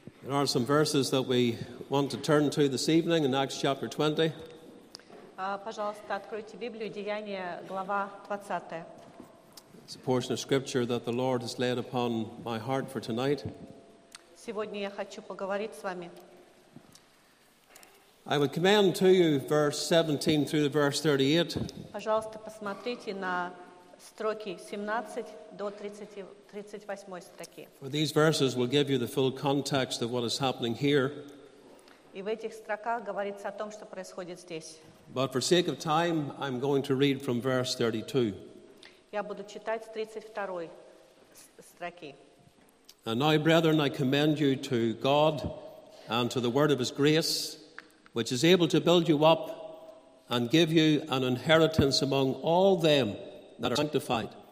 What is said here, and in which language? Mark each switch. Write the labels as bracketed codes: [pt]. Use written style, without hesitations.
[en] are some verses that we want to turn to this evening in Acts chapter 20. [ru] Пожалуйста, откройте Библию, Деяния, глава 20. [en] It's a portion of scripture that the Lord has laid upon my heart for tonight. [ru] Сегодня я хочу поговорить с вами. [en] I would commend to you verse 17 through to verse 38. [ru] Пожалуйста, посмотрите на строки 17 до 38 строки. [en] For these verses will give you the full context of what is happening here. [ru] И в этих строках говорится о том, что происходит здесь. [en] But for sake of time, I'm going to read from verse 32. [ru] Я буду читать с 32 строки. [en] And now, brethren, I commend you to God and to the word of his grace, which is able to build you up and give you an inheritance among all them that are sanctified.